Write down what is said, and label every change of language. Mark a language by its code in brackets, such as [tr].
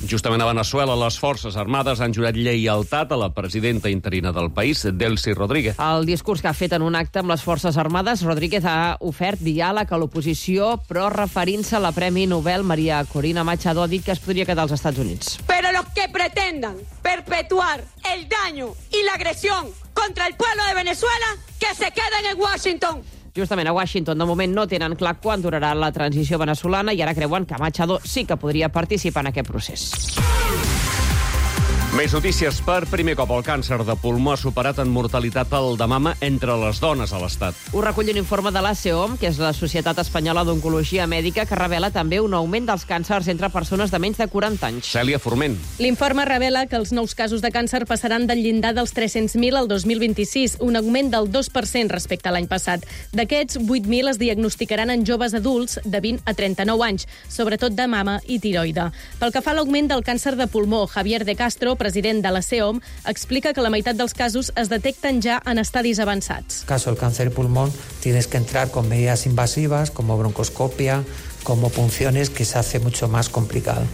[ca] Justament a Venezuela, les forces armades han jurat lleialtat a la presidenta interina del país, Delcy Rodríguez. El discurs que ha fet en un acte amb les forces armades, Rodríguez ha ofert diàleg a l'oposició, però referint-se a la Premi Nobel, Maria Corina Machado, ha dit que es podria quedar als Estats Units. [es] Pero los que pretendan perpetuar el daño y la agresión contra el pueblo de Venezuela, que se queden en Washington. [ca] Justament a Washington, de moment, no tenen clar quan durarà la transició veneçolana i ara creuen que Machado sí que podria participar en aquest procés. Més notícies. Per primer cop, el càncer de pulmó ha superat en mortalitat el de mama entre les dones a l'Estat. Ho recull un informe de l'ACOM, que és la Societat Espanyola d'Oncologia Mèdica, que revela també un augment dels càncers entre persones de menys de 40 anys. Cèlia Forment. L'informe revela que els nous casos de càncer passaran del llindar dels 300.000 al 2026, un augment del 2% respecte a l'any passat. D'aquests, 8.000 es diagnosticaran en joves adults de 20 a 39 anys, sobretot de mama i tiroide. Pel que fa a l'augment del càncer de pulmó, Javier de Castro, president de la CEOM, explica que la meitat dels casos es detecten ja en estadis avançats. [es] En caso del cáncer de pulmón, tienes que entrar con medidas invasivas, como broncoscopia, como punciones, que se hace mucho más complicado.